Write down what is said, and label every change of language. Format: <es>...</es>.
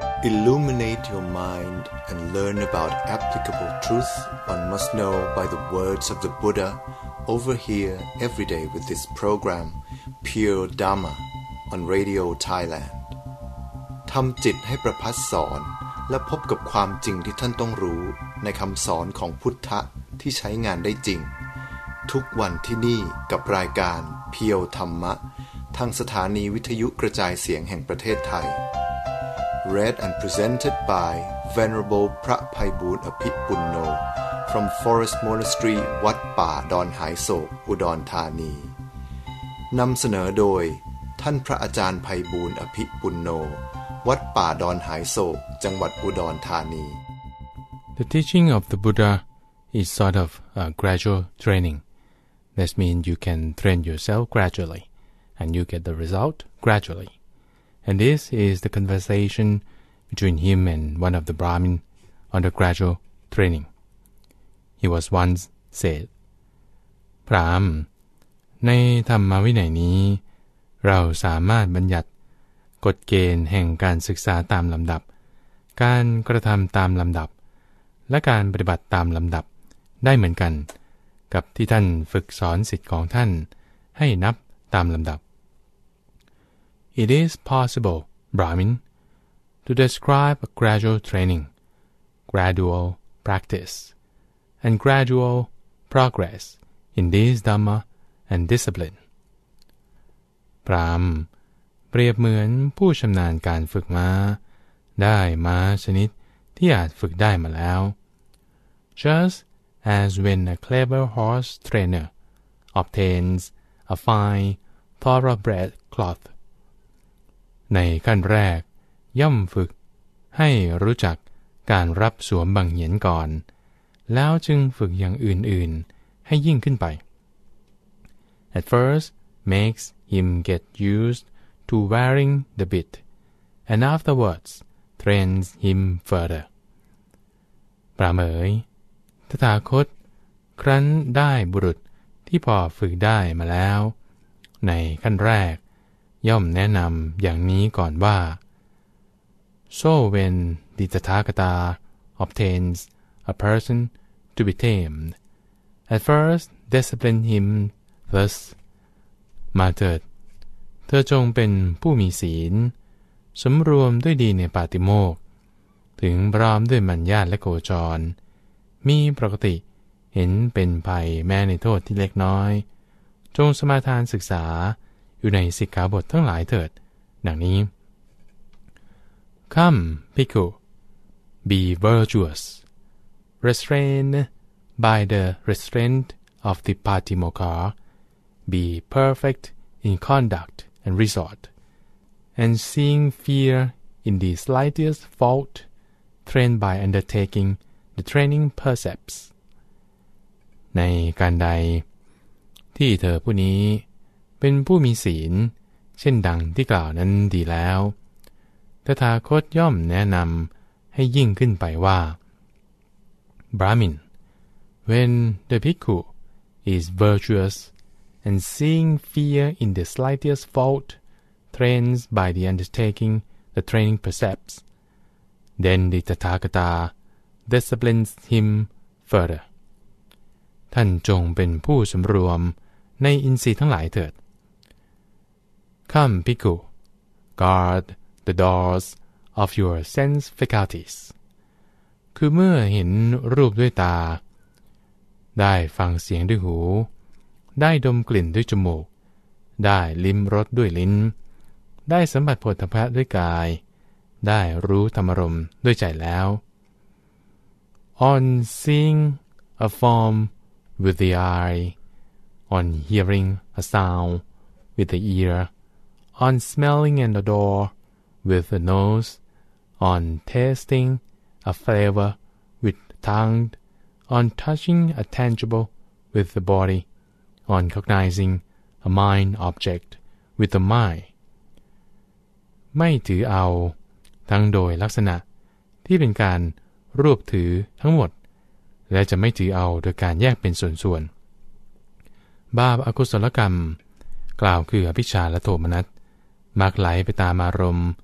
<en>Illuminate your mind and learn about applicable truth one must know by the words of the Buddha over here every day with this program, Pure Dharma, on Radio Thailand.</en> <th>ทำจิตให้ประพัสสอนและพบกับความจริงที่ท่านต้องรู้ในคำสอนของพุทธะที่ใช้งานได้จริงทุกวันที่นี่กับรายการเพียวธรรมะทางสถานีวิทยุกระจายเสียงแห่งประเทศไทย</th> <en>Read and presented by Venerable</en> <th>พระไพบูลย์อภิปุณโญ</th> <en>from Forest Monastery</en> <th>วัดป่าดอนหายโศกอุดรธานีนำเสนอโดยท่านพระอาจารย์ไพบูลย์อภิปุณโญวัดป่าดอนหายโศกจังหวัดอุดรธานี</th> <en>The teaching of the Buddha is sort of a gradual training. This means you can train yourself gradually, and you get the result gradually. And this is the conversation between him and one of the Brahmin on the gradual training. He was once said,</en> <th>Brahm, ในธรรมวินัยนี้เราสามารถบัญญัติกฎเกณฑ์แห่งการศึกษาตามลำดับการกระทำตามลำดับและการปฏิบัติตามลำดับได้เหมือนกันกับที่ท่านฝึกสอนศิษย์ของท่านให้นับตามลำดับ</th> <en>It is possible, Brahmin, to describe a gradual training, gradual practice, and gradual progress in this Dhamma and discipline.</en> <th>Brahm, เปรียบเหมือนผู้ชำนาญการฝึกม้าได้ม้าชนิดที่อาจฝึกได้มาแล้ว</th> <en>JustAs when a clever horse trainer obtains a fine thoroughbred cloth.</en> <th>ในขั้นแรกย่อมฝึกให้รู้จักการรับสวมบังเหียนก่อนแล้วจึงฝึกอย่างอื่นๆให้ยิ่งขึ้นไป</th> <en>At first makes him get used to wearing the bit and afterwards trains him further.</en> <th>ปราเมยตถาคตครั้นได้บุรุษที่พอฝึกได้มาแล้วในขั้นแรกย่อมแนะนำอย่างนี้ก่อนว่า</th> <en>So when the Tathagata obtains a person to be tamed, at first discipline him thus</en> <th>มาเถิดเธอจงเป็นผู้มีศีลสมรวมด้วยดีในปาติโมกถึงพร้อมด้วยมัญญาตและโกจรมีปกติเห็นเป็นภัยแม้ในโทษที่เล็กน้อยจงสมาทานศึกษาอยู่ในสิกขาบททั้งหลายเถิดดังนี้</th> <en>Come, Bhikkhu, be virtuous. Restrain by the restraint of the Patimokkha. Be perfect in conduct and resort. And seeing fear in the slightest fault, train by undertakingThe training percepts.</en> <th>ในการใดที่เธอผู้นี้เป็นผู้มีศีลเช่นดังที่กล่าวนั้นดีแล้วตถาคตย่อมแนะนำให้ยิ่งขึ้นไปว่า</th> <en>Brahmin, when the bhikkhu is virtuous and seeing fear in the slightest fault trains by the undertaking the training percepts, then the Tathagatadisciplines him further.</en> <th>ท่านจงเป็นผู้สำรวมในอินทรีย์ทั้งหลายเถิด</th> <en>Come, Bhikkhu, guard the doors of your sense faculties.</en> <th>คือเมื่อเห็นรูปด้วยตาได้ฟังเสียงด้วยหูได้ดมกลิ่นด้วยจมูกได้ลิ้มรสด้วยลิ้นได้สัมผัสโผฏฐัพพะด้วยกายได้รู้ธรรมรมด้วยใจแล้ว</th> <en>On seeing a form with the eye, on hearing a sound with the ear, on smelling an odor with the nose, on tasting a flavor with the tongue, on touching a tangible with the body, on cognizing a mind object with the mind.</en> <th>ไม่ถือเอาทั้งโดยลักษณะที่เป็นการรวบถือทั้งหมดและจะไม่ถือเอาโดยการแยกเป็นส่วนๆบาปอกุศลกรรมกล่าวคืออภิชฌาและโทมนัสมักไหลไปตามอารม</th>